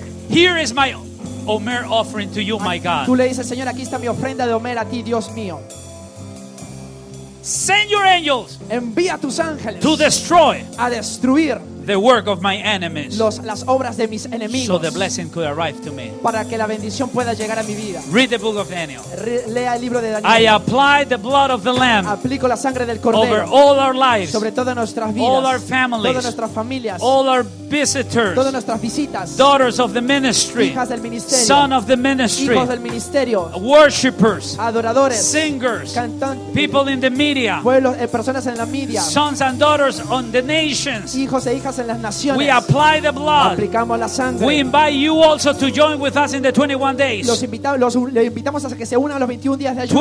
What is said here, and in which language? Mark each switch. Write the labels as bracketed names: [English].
[English] Here is my Omer offering to you, my God. [Spanish] Tú le dices, Señor, aquí está mi ofrenda de Omer a ti, Dios mío. [English] Send your angels. [Spanish] Envía tus ángeles. [English] To destroy. [Spanish] A destruir. [English] The work of my enemies. [Spanish] Las obras de mis enemigos. [English] So the blessing could arrive to me. [Spanish] Para que la bendición pueda llegar a mi vida. [English] Read the book of Daniel. [Spanish] Lea el libro de Daniel. [English] I apply the blood of the Lamb. [Spanish] Aplico la sangre del cordero. [English] Over all our lives. [Spanish] Sobre todas nuestras vidas. [English] All our families. [Spanish] Todas nuestras familias. [English] All our visitors. [Spanish] Todas nuestras visitas. [English] Daughters of the ministry. [Spanish] Hijas del ministerio. [English] Son of the ministry. [Spanish] Hijos del ministerio. [English] Worshippers. [Spanish] Adoradores. [English] Singers. [Spanish] Cantantes. [English] People in the media. [Spanish] Pueblos, personas en la media. [English] Sons and daughters on the nations. [Spanish] Hijos e hijas. [English] We apply the blood. [Spanish] Aplicamos la sangre. [English] We invite you also to join with us in the 21 days. [Spanish] Le invitamos a que se unan a los 21 días de ayuno.